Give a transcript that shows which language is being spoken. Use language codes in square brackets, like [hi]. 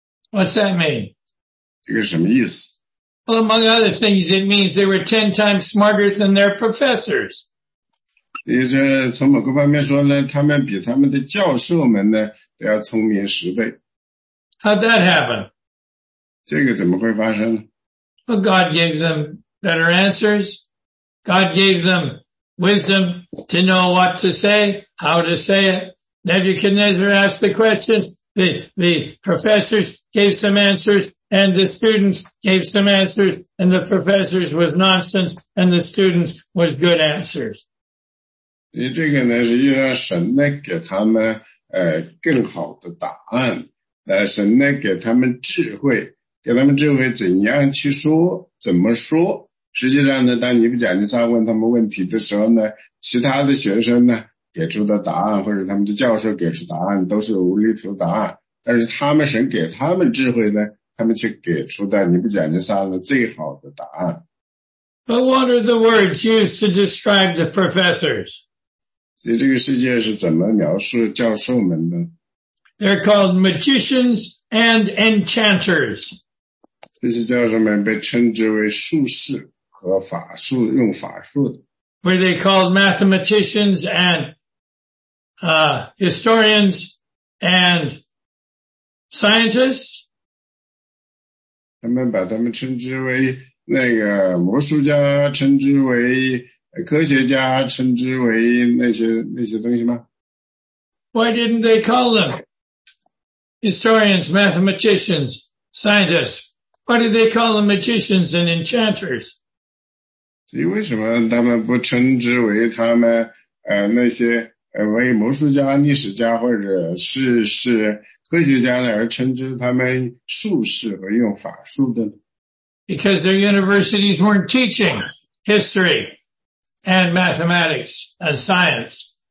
[en] What's that mean? [zh] 这个什么意思？ [en] Well, among other things, it means they were 10 times smarter than their professors. [zh] 这从某个方面说呢，他们比他们的教授们呢都要聪明十倍。 [en] How'd that happen? [zh] 这个怎么会发生呢？ [en] Well, God gave them better answers. God gave them wisdom to know what to say, how to say it. Nebuchadnezzar asked the questions. The professors gave some answers, and the students gave some answers, and the professors was nonsense, and the students was good answers. [zh] 这个呢是让神呢给他们更好的答案，神呢给他们智慧，给他们智慧怎样去说，怎么说。实际上呢，当尼布甲尼撒问他们问题的时候呢，其他的学生呢给出的答案，或者他们的教授给出答案，都是无厘头答案。但是他们神给他们智慧呢，他们却给出的尼布甲尼撒的最好的答案。 [en] But what are the words used to describe the professors? [zh] 所以这个世界是怎么描述教授们呢？ [en] They're called magicians and enchanters. [zh] 这些教授们被称之为术士和法术，用法术的。 [en] Were they called mathematicians and historians and scientists? [zh] 他们把他们称之为那个魔术家，称之为科学家，称之为那些东西吗？ [en] Why didn't they call them historians, mathematicians, scientists? Why did they call them magicians and enchanters? [zh] 所以为什么他们不称之为他们那些为魔术家、历史家或者是科学家呢，而称之他们术士和用法术的呢？ [en] Because their universities weren't teaching history and mathematics and science.